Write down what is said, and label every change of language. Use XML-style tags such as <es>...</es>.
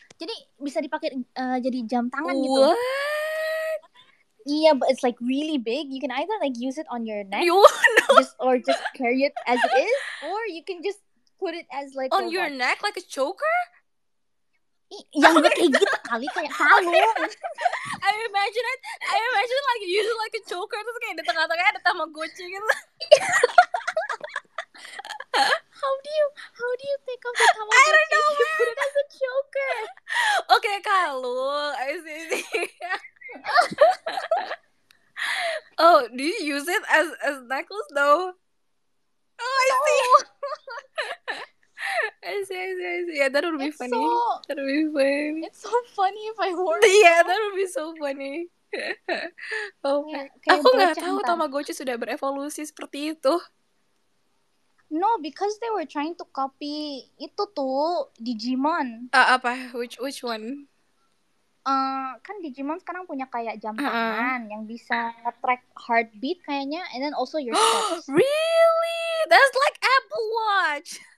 <id>Jadi bisa dipakai jadi jam tangan gitu.</id> <en>Yeah, but it's like really big. You can either like use it on your neck, or just carry it as it is, or you can just put it as like on your neck, like a choker.</en> <id>Yang kayak gitu kali kayak palu.</id> <en>I imagine like you use it like a choker,</en> <id>terus kayak di tengah-tengah ada Tamagotchi gitu.</id> <en>How do you think of the Tamagotchi? I don't know. Put it as a choker. Okay, kalu, I see. Oh, do you use it as necklace though? Oh, I see. Yeah, that would be funny. That would be funny. It's so funny if I wore it. Yeah, that would be so funny.</en> <id>Oh, aku nggak tahu Tamagotchi sudah berevolusi seperti itu.</id> <en>No, because they were trying to copy</en> <id>itu tuh</id> <en>Digimon.</en> <id>Apa?</id> <en>Which one?</en> <id>Kan Digimon sekarang punya kayak jam tangan yang bisa track heartbeat kayaknya,</id> <en>and then also your steps. Really? That's like Apple Watch.</en>